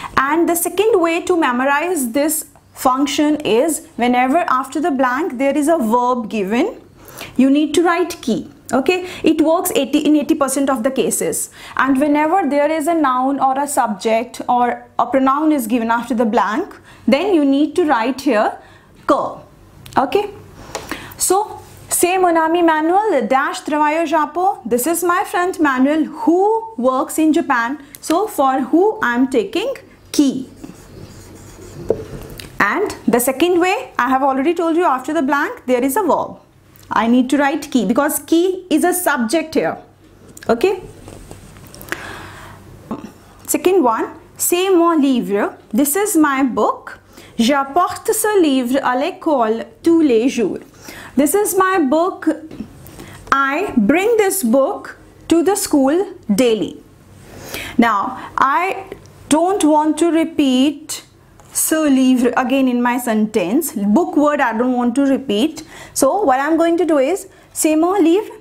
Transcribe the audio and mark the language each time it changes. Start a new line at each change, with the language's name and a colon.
English: And the second way to memorize this function is whenever after the blank there is a verb given, you need to write qui. Okay. It works in 80% of the cases. And whenever there is a noun or a subject or a pronoun is given after the blank, then you need to write here que. Okay.
French: So, c'est mon ami Manuel, dash travaille au Japon.
English: This is my friend Manuel who works in Japan. So for who I'm taking qui. And the second way, I have already told you after the blank, there is a verb. I need to write qui because qui is a subject here. Okay. Second one,
French: c'est mon livre.
English: This is my book.
French: J'apporte ce livre à l'école tous les jours.
English: This is my book. I bring this book to the school daily. Now, I don't want to repeat
French: ce livre
English: again in my sentence. Book word I don't want to repeat. So, what I'm going to do is,
French: c'est mon livre.